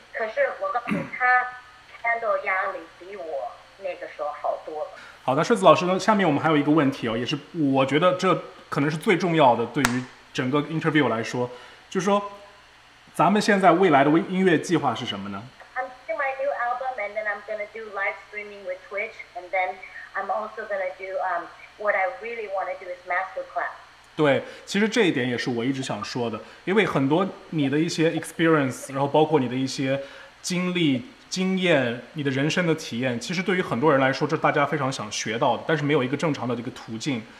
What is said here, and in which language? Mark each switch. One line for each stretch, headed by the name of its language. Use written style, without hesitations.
Chinese: 可是我告诉他handle 压力比我。那个时候好多了。好的，顺子老师呢，下面我们还有一个问题哦，也是我觉得这可能是最重要的，对于整个 interview 来说，就是说咱们现在未来的音乐计划是什么呢？
English: I'm doing my new album and then I'm going to do live streaming with Twitch and then I'm also going to do what I really want to do is masterclass.
Chinese: 对，其实这一点也是我一直想说的，因为很多你的一些 experience， 然后包括你的一些经历经验，你的人生的体验，其实对于很多人来说，这是大家非常想学到的，但是没有一个正常的这个途径。